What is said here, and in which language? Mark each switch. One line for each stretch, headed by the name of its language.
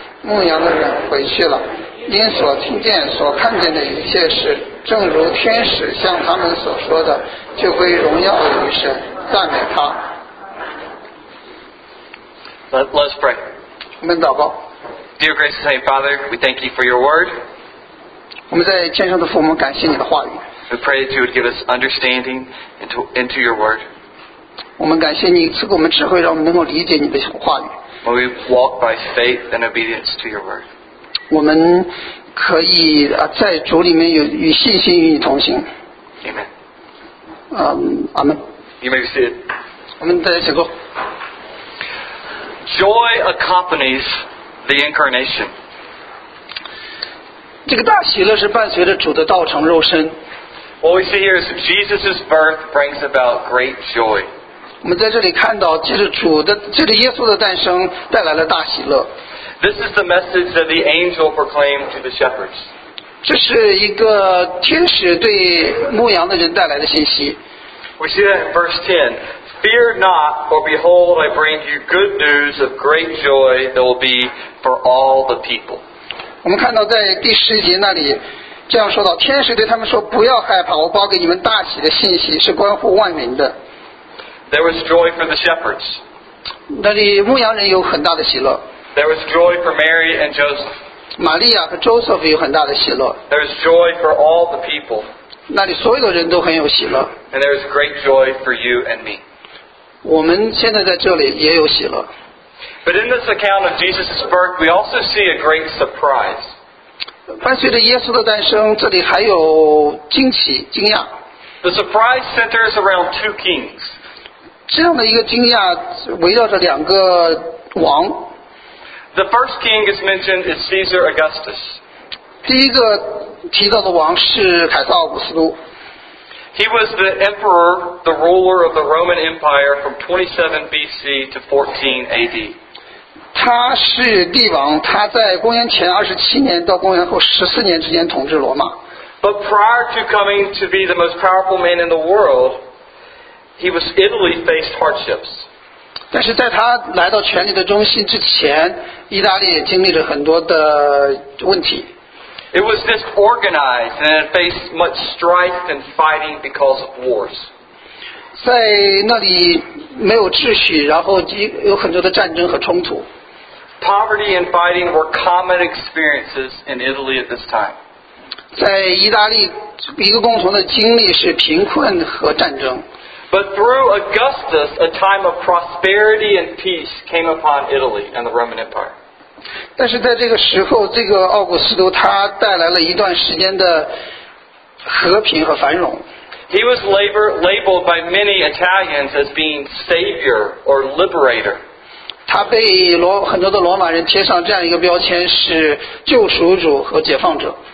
Chinese: 牧羊的人回去了，因所听见所看见的一切事，正如天使向他们所说的，就归荣耀于神，赞美他。
English: Let's pray.
Chinese: 我们祷告。
English: Dear gracious Heavenly Father, we thank you for your word.
Chinese: 我们在天上的父母，感谢你的话语。
English: We pray that you would give us understanding into your word.
Chinese: 我们感谢你赐给我们智慧，让我们能够理解你的话语。
English: May we walk by faith and obedience to your word.
Chinese: 我们可以在主里面有与信心与你同行。
English: Amen. Amen. You may be seated.
Chinese: 我们再来写作。
English: Joy accompanies the incarnation.
Chinese: 这个大喜乐是伴随着主的道成肉身。
English: What we see here is Jesus' birth brings about great joy.
Chinese: 我们在这里看到就是耶稣的诞生带来了大喜乐。
English: This is the message that the angel proclaimed to the shepherds.
Chinese: 这是一个天使对牧羊的人带来的信息。
English: We see that in verse 10. Fear not, for behold, I bring you good news of great joy that will be for all the people.
Chinese: 我们看到在第十节那里这样说到，天使对他们说，不要害怕，我报给你们大喜的信息是关乎万民的。
English: There was joy for the shepherds.
Chinese: 那里牧羊人有很大的喜乐。
English: There was joy for Mary and Joseph.
Chinese: 玛利亚和 Joseph 有很大的喜乐。
English: There was joy for all the people.
Chinese: 那里所有的人都很有喜乐。
English: And there was great joy for you and me.
Chinese: 我们现在在这里也有喜乐。
English: But in this account of Jesus' birth, we also see a great surprise.
Chinese: 伴随着耶稣的诞生，这里还有惊奇、惊讶。
English: The surprise centers around two kings.
Chinese: 这样的一个惊讶围绕着两个王。
English: The first king is mentioned is Caesar Augustus.
Chinese: 第一个提到的王是凯撒奥古斯都。
English: He was the emperor, the ruler of the Roman Empire from 27 BC to 14 AD.
Chinese: 他是帝王，他在公元前27年到公元后14年之间统治罗马。
English: But prior to coming to be the most powerful man in the world, he was Italy faced hardships.
Chinese: 但是在他来到权力的中心之前，意大利也经历了很多的问题。
English: It was disorganized and it faced much strife and fighting because of wars.
Chinese: 在那里没有秩序，然后有很多的战争和冲突。
English: Poverty and fighting were common experiences in Italy at this time.
Chinese: 在意大利，一个共同的经历是贫困和战争。
English: But through Augustus, a time of prosperity and peace came upon Italy and the Roman Empire.
Chinese: 但是在这个时候，这个奥古斯都他带来了一段时间的和平和繁荣。
English: He was labeled by many Italians as being savior or liberator.
Chinese: 他被很多的罗马人贴上这样一个标签，是救赎主和解放者。